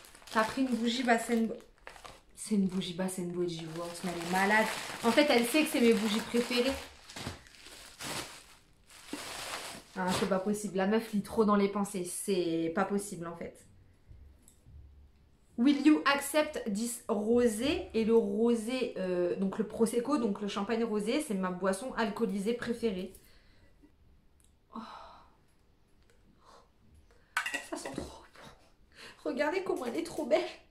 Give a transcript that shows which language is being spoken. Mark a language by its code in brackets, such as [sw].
[fr] T'as pris une bougie Bath &... C'est une bougie Bath & Body Works. Mais elle est malade. En fait, elle sait que c'est mes bougies préférées. Ah, c'est pas possible, la meuf lit trop dans les pensées, c'est pas possible en fait. [en] Will you accept this rosé? [fr] Et le rosé, donc le prosecco, donc le champagne rosé, c'est ma boisson alcoolisée préférée. Ça sent trop bon. Regardez comment elle est trop belle.